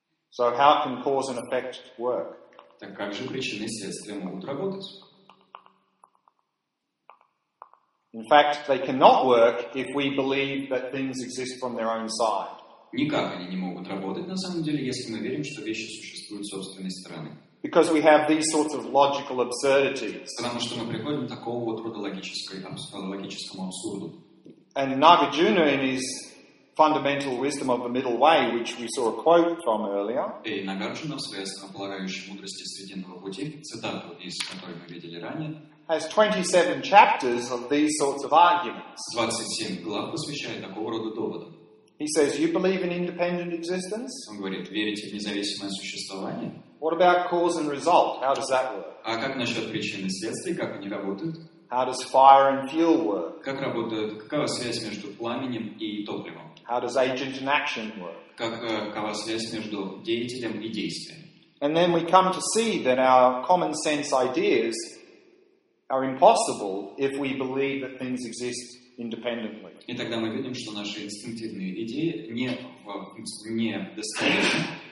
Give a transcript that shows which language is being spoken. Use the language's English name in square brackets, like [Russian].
[English] So how can cause and effect work? [Russian] Так как же причины и следствия могут работать? [English] In fact, they cannot work if we believe that things exist from their own side. [Russian] Никак они не могут работать, на самом деле, если мы верим, что вещи существуют с собственной стороны. [English] Because we have these sorts of logical absurdities. [Russian] Потому что мы приходим к такому вот рода логическому абсурду. [English] And Nagarjuna in his Fundamental Wisdom of the Middle Way, which we saw a quote from earlier. [Russian] И Нагарджуна в своей основополагающей мудрости срединного пути, цитату из которой мы видели ранее, [English] has 27 chapters of these sorts of arguments. [Russian] 27 глав посвящает такого рода доводам. [English] He says, "You believe in independent existence?" [Russian] Он говорит, верите в независимое существование? [English] What about cause and result? How does that work? [Russian] А как насчет причин и следствий? Как они работают? [English] How does fire and fuel work? [Russian] Как работают? Какова связь между пламенем и топливом? [English] How does agent and action work? [Russian] Какова связь между деятелем и действием? [English] And then we come to see that our common sense ideas are impossible if we believe that things exist independently. [Russian] И тогда мы видим, что наши инстинктивные идеи не достоверны,